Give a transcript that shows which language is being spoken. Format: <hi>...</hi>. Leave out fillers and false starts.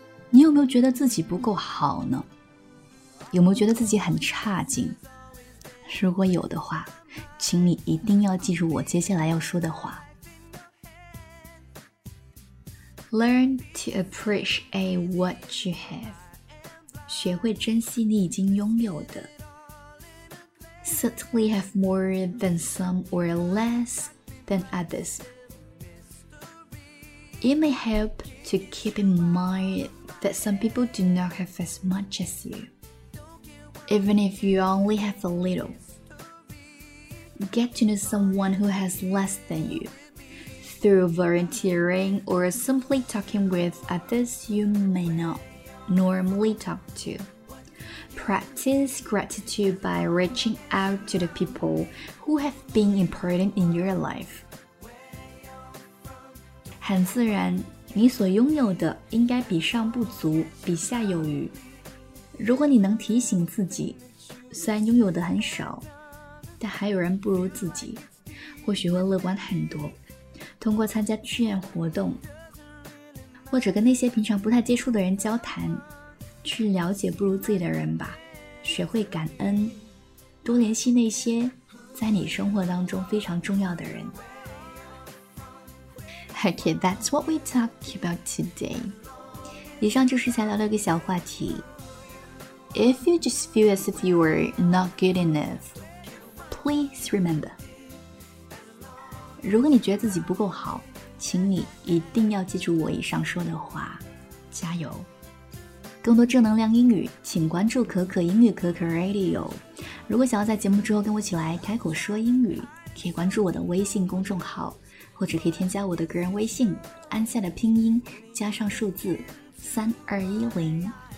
<zh>你有没有觉得自己不够好呢？有没有觉得自己很差劲？如果有的话，请你一定要记住我接下来要说的话。</zh> <en>Learn to appreciate what you have.</en> <zh>学会珍惜你已经拥有的。</zh> <en>Certainly have more than some or less than others. It may help to keep in mind that some people do not have as much as you, even if you only have a little. Get to know someone who has less than you. Through volunteering or simply talking with others you may not normally talk to. Practice gratitude by reaching out to the people who have been important in your life.</en> <zh>很自然，你所拥有的应该比上不足，比下有余。如果你能提醒自己，虽然拥有的很少，但还有人不如自己，或许会乐观很多。通过参加志愿活动，或者跟那些平常不太接触的人交谈，去了解不如自己的人吧，学会感恩，多联系那些在你生活当中非常重要的人。</zh> <en>Okay, that's what we talk about today.</en> <zh>以上就是想聊的一个小话题。</zh> <en>If you just feel as if you were not good enough, please remember.</en> <zh>如果你觉得自己不够好，请你一定要记住我以上说的话，加油！更多正能量英语，请关注可可英语可可 Radio。如果想要在节目之后跟我一起来开口说英语，可以关注我的微信公众号，或者可以添加我的个人微信，安夏的拼音加上数字3210。</zh>